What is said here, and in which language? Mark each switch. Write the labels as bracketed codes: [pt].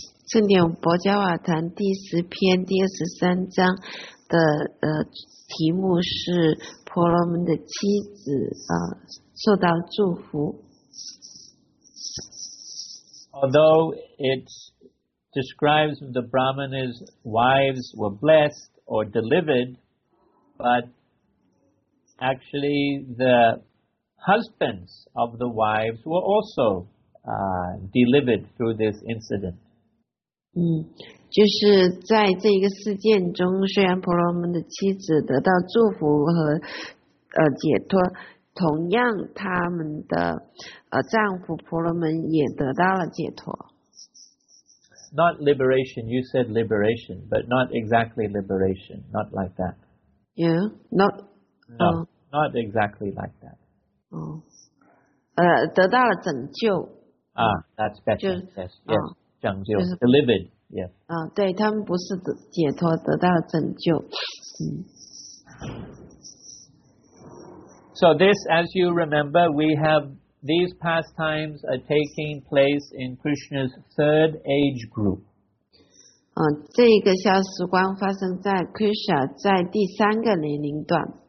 [zh] 圣典博加瓦坛第十篇第二十三章的题目是婆罗门的妻子受到祝福。 [en] Although it describes the Brahmana's wives were blessed or delivered, but actually the husbands of the wives were also delivered through this incident. [zh] 就是在这一个事件中，虽然婆罗门的妻子得到祝福和解脱，同样他们的丈夫婆罗门也得到了解脱。 [en] Not liberation, you said liberation, but not exactly liberation, not like that. Yeah, not. Not exactly like that. [zh] 得到了拯救。 [en] That's better. Yes. [zh] 拯救、就是、 [en] delivered, yes. [zh] 对，他们不是解脱，得到了拯救。 [en] So this, as you remember, we have these pastimes are taking place in Krishna's third age group. [zh] 这个消时光发生在 Krishna 在第三个年龄段。